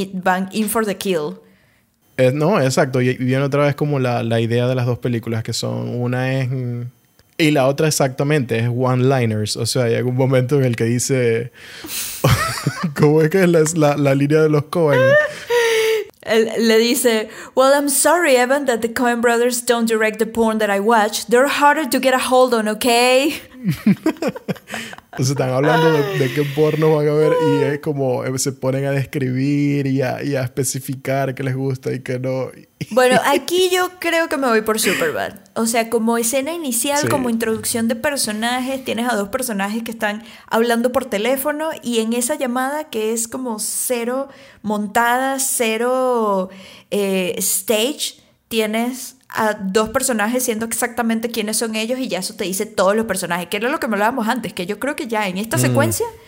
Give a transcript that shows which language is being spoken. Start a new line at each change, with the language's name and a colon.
English: Van in for the kill.
Spanish: No, exacto. Y viene otra vez como la idea de las dos películas, que son, una es... Y la otra exactamente es one-liners. O sea, hay algún momento en el que dice... ¿Cómo es que es la línea de los Coen? Le dice...
English: Well, I'm sorry, Evan, that the Coen brothers don't direct the porn that I watch. They're harder to get a hold on, ¿okay?
Spanish: O sea, están hablando de qué porno van a ver y es como se ponen a describir y a especificar qué les gusta y qué no. Bueno, aquí yo creo que me voy por Superbad. O sea, como escena inicial, sí, como introducción de personajes, tienes a dos personajes que están hablando por teléfono y en esa llamada que es como cero montada, cero stage, tienes a dos personajes siendo exactamente quiénes son ellos y ya eso te dice todos los personajes, que era lo que hablábamos antes, que yo creo que ya en esta secuencia